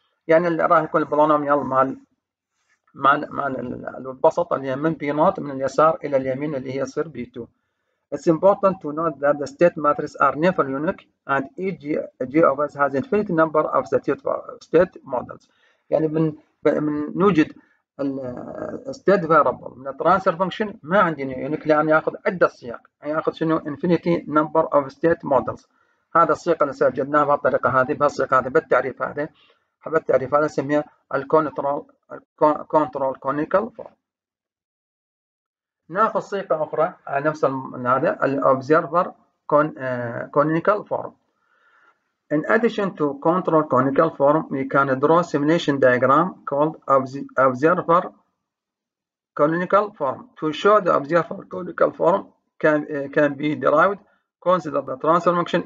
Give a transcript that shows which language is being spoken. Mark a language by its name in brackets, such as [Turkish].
[Arabic] يعني اللي راح يكون البولونوميال مال مال مال البسط اللي هي من b naught من اليسار الى اليمين اللي هي يصير b2. [English] It's important to note that the state matrices are never unique and each G of S has infinite number of state models. [Arabic] يعني من نوجد الستيت فاربل من الترانسفير فانكشن ما عندي يونيك، لان ياخذ عده صيغ، ياخذ شنو انفينيتي نمبر اوف ستيت مودلز. هذا الصيغه اللي سجلناها بالطريقه هذه بهالصيغه هذه بالتعريف هذا حبيت التعريف هذا نسميها الكونترول كونيكال فورم. ناخذ صيغه اخرى على نفس هذا الاوبزرفر كونيكال فورم. [English] In addition to control conical form, we can draw simulation diagram called observer conical form. To show the observer conical form can be derived, consider the transfer function.